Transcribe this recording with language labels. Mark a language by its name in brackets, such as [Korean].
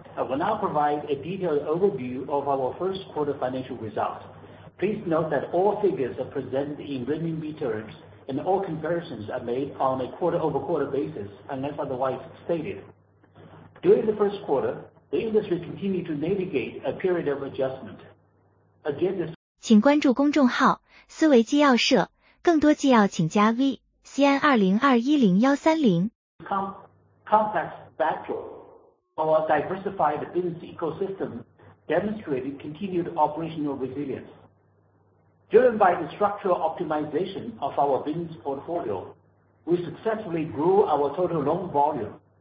[English] I will now provide a detailed overview of our first quarter financial results. Please note that all figures are presented in renminbi terms and all comparisons are made on a quarter-over-quarter basis unless otherwise stated. During the first quarter, the industry continued to navigate a period of adjustment. Again, this [Chinese] 请关注公众号思维纪要社，更多纪要请加 VCN20210130. [English] Complex backdrop. Our diversified business ecosystem demonstrated continued operational resilience. Driven by the structural optimization of our business portfolio, we successfully grew our total loan volume.